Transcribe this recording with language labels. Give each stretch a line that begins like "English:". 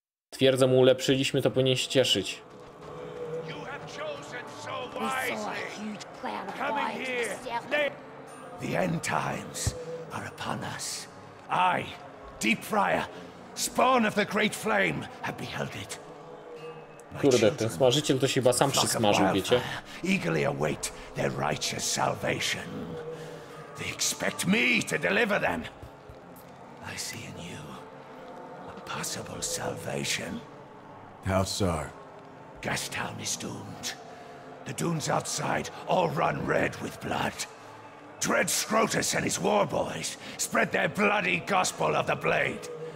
Polish: Twierdzę mu, ulepszyliśmy, to powinien się cieszyć.
English: You have chosen so wisely. Coming here. The end times are upon us. Aye. Deep Fryer, spawn of the Great Flame, have beheld it.
Polish: Kurde, ten smażyciel to się chyba sam przysmażył, wiecie?
English: Eagerly await their righteous salvation. They expect me to deliver them. I see in you a possible salvation. How so? Gastown is doomed. The dunes outside all run red with blood. Dread Scrotus and his war boys spread their bloody gospel of the blade.